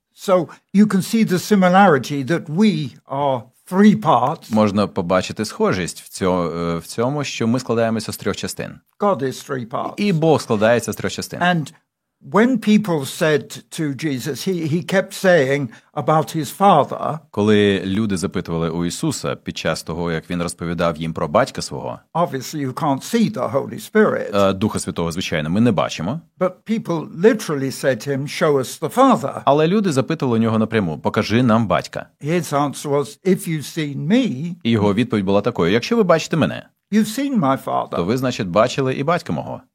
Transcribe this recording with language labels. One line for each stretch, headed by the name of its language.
English: So you can see the similarity that we are three parts.
Ukrainian: Можна побачити схожість в цьому, що ми складаємося з трьох частин.
English: God is three parts.
Ukrainian: І Бог складається з трьох частин.
English: And when people said to Jesus, he kept saying about his father.
Ukrainian: Коли люди запитували у Ісуса під час того, як він розповідав їм про батька свого.
English: Obviously you can't see the Holy Spirit.
Ukrainian: Духа Святого, звичайно, ми не бачимо.
English: But people literally said to him, show us the father.
Ukrainian: Але люди запитували у нього напряму: покажи нам батька.
English: His answer was, if you've seen me.
Ukrainian: І його відповідь була такою: якщо ви бачите мене.
English: You've seen my father.
Ukrainian: То ви, значить, бачили і батька мого.